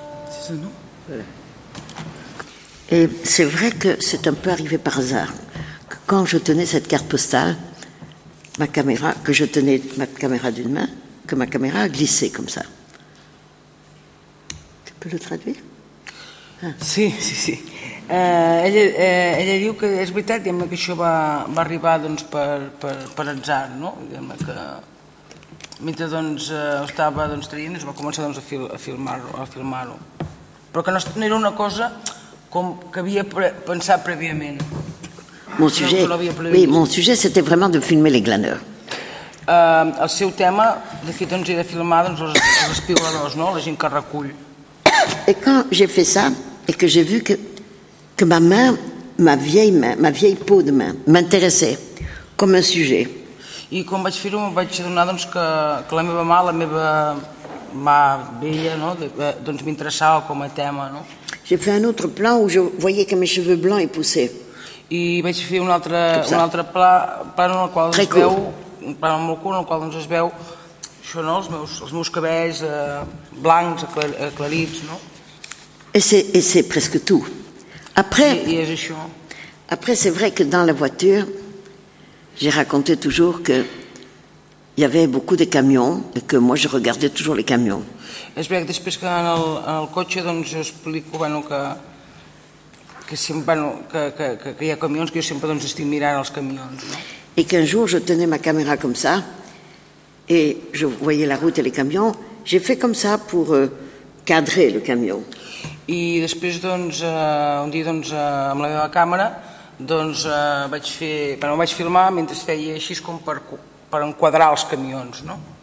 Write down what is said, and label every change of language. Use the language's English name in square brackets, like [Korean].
[French] C'est ça, non ? Voilà. Et c'est vrai que c'est un peu arrivé par hasard. Quand je tenais cette carte postale, ma caméra, que je tenais ma caméra d'une main, que ma caméra a glissé comme ça. Tu peux le traduire? [Catalan] Sì, sì, sì. Ella diu que és veritat, diguem-ne, que això va arribar doncs, per atzar, no? Diguem-ne que mentre doncs, estava doncs, traient, es va començar doncs, a filmar-ho. Però que no era una cosa com que havia pensat prèviament. [French] Mon sujet, oui, mon sujet, c'était vraiment de filmer les glaneurs. [Catalan] El seu tema, de fet, doncs, era filmar doncs, els espigoladors, no? La gent que recull. [French] Et quand j'ai fait ça, et que j'ai vu que ma main, ma vieille main, ma vieille peau de main, m'intéressait comme un sujet. [Catalan] I quan vaig fer-ho, em vaig adonar doncs, que la meva mà, la meva mà vella, no? Doncs m'interessava com a tema. No? [French] J'ai fait un autre plan où je voyais que mes cheveux blancs y poussaient. [Catalan] I vaig fer un altre plan en el qual es veu... un plan molt curt en el qual doncs, es veu això, no? els meus cabells blancs, aclarits, no? [French] Et c'est presque tout. Après, [Catalan] I és això. [French] Après, c'est vrai que dans la voiture, j'ai raconté toujours que il y avait beaucoup de camions et que moi, je regardais toujours les camions. [Catalan] És vrai que després que en el cotxe, doncs, jo explico, bueno, que sempre, bueno, que hi ha camions, que jo sempre, doncs, estic mirant els camions, no? [French] Et qu'un jour, je tenais ma caméra comme ça, et je voyais la route et les camions. J'ai fait comme ça pour cadrer le camion. [Catalan] I després, doncs, un dia, doncs, amb la meva càmera, doncs, vaig filmar mentre feia així com per enquadrar els camions, no?